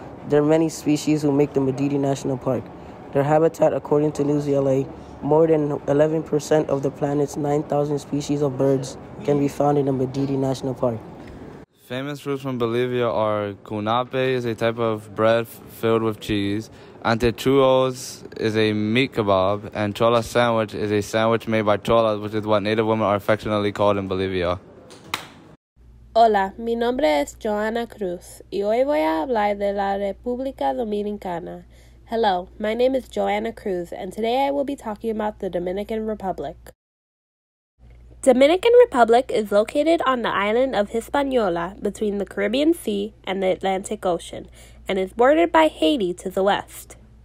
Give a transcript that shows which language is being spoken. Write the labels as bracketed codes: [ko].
[en] There are many species who make the Madidi National Park. Their habitat, according to News LA, more than 11% of the planet's 9,000 species of birds can be found in the Madidi National Park. Famous fruits from Bolivia are cunape, is a type of bread filled with cheese. Antechuos is a meat kebab, and chola sandwich is a sandwich made by cholas, which is what native women are affectionately called in Bolivia. [es] Hola, mi nombre es Joanna Cruz, y hoy voy a hablar de la República Dominicana. [en] Hello, my name is Joanna Cruz, and today I will be talking about the Dominican Republic. Dominican Republic is located on the island of Hispaniola between the Caribbean Sea and the Atlantic Ocean, and is bordered by Haiti to the west.